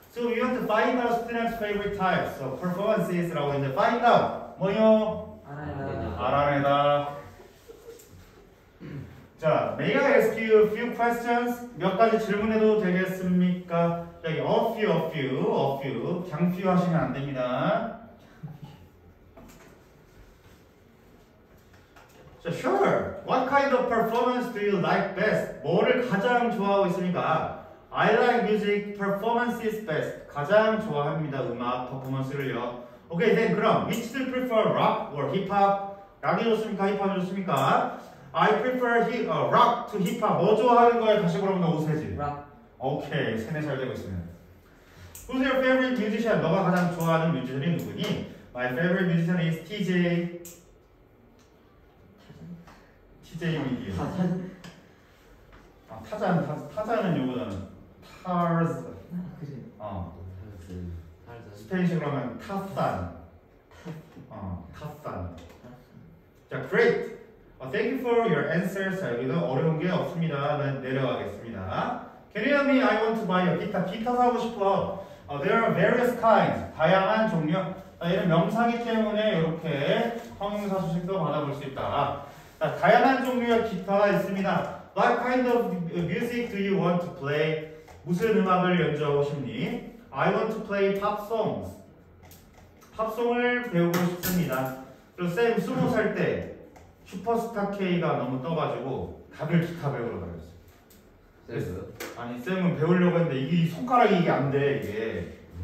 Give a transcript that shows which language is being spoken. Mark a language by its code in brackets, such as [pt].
[en] So you have to find our students' favorite types. So performances, 라고 이제 find out. 뭐요? [ko] 알아내다. [en] 자, may I ask you a few questions? [ko] 몇 가지 질문해도 되겠습니까? 여기 a few. 장 few 하시면 안 됩니다. [en] 자, so, sure. What kind of performance do you like best? [ko] 뭐를 가장 좋아하고 있습니까? [en] I like music performances best. [ko] 가장 좋아합니다. 음악 퍼포먼스를요. [en] Okay, then 그럼 which do you prefer, rock or hip-hop? [ko] 락이 좋습니까? 힙합이 좋습니까? [en] I prefer rock to hip-hop. [ko] 뭐 좋아하는 거야? 다시 물어보면 오세지. [en] Rock. Okay, [ko] 세뇌 잘 되고 있습니다. [en] Who's your favorite musician? [ko] 너가 가장 좋아하는 뮤지션이 누구니? [en] My favorite musician is TJ. [ko] TJ 미디어. 타잔. 아, 타잔. 타잔은 요거잖아. 타르즈. 그래. 타르즈. 스페인식으로 하면 타산. [en] 타산. 자, great. Thank you for your answers. [ko] 여기도 어려운 게 없습니다. 내려가겠습니다. [en] Can you tell me I want to buy a guitar? [ko] 기타 사고 싶어. [en] There are various kinds. [ko] 다양한 종류. 이런 명사기 때문에 이렇게 형용사 수식도 받아볼 수 있다. 자, 다양한 종류의 기타가 있습니다. [en] What kind of music do you want to play? [ko] 무슨 음악을 연주하고 싶니? [en] I want to play pop songs. [ko] 팝송을 배우고 싶습니다. 그리고 쌤 스무 살 때 슈퍼스타 K가 너무 떠가지고 다들 기타 배우러 다녔어요. 아니 쌤은 배우려고 했는데 이게 손가락이 이게 안 돼 이게.